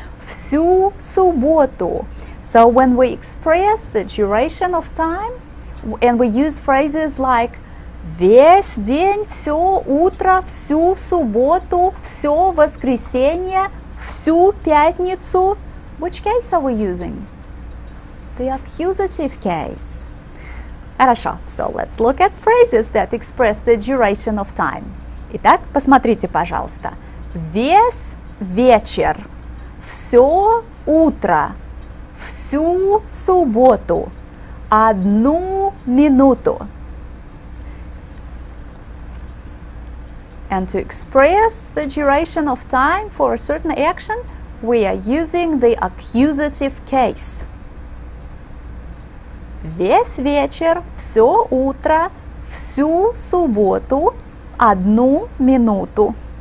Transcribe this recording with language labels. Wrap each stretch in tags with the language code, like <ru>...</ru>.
<ru>Всю субботу.</ru> <en>So when we express the duration of time and we use phrases like</en> <ru>весь день, все утро, всю субботу, все воскресенье, всю пятницу,</ru> <en>which case are we using? The accusative case.</en> <ru>Хорошо,</ru> <en>so let's look at phrases that express the duration of time.</en> <ru>Итак, посмотрите, пожалуйста. Весь вечер, все утро, всю субботу, одну минуту.</ru> <en>And to express the duration of time for a certain action, we are using the accusative case.</en> <ru>Весь вечер, все утро, всю субботу, одну минуту.</ru>